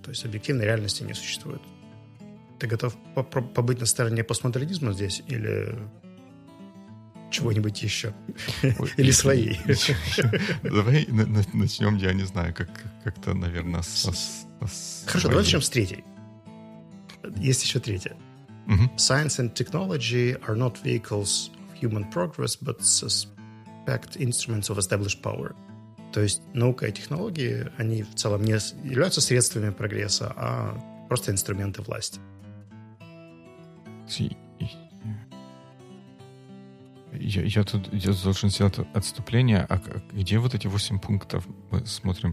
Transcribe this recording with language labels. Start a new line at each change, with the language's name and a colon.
Russian: То есть объективной реальности не существует. Ты готов побыть на стороне постмодернизма здесь или чего-нибудь еще? Или своей? Давай начнем, я не знаю, как-то, наверное, с... Хорошо, давай начнем с третьей. Есть еще третья.
English: Science and technology are not vehicles of human progress, but suspect instruments of established power.
Russian: То есть наука и технологии, они в целом не являются средствами прогресса, а просто инструменты власти. Я должен сделать отступление. А где вот эти 8 пунктов мы смотрим?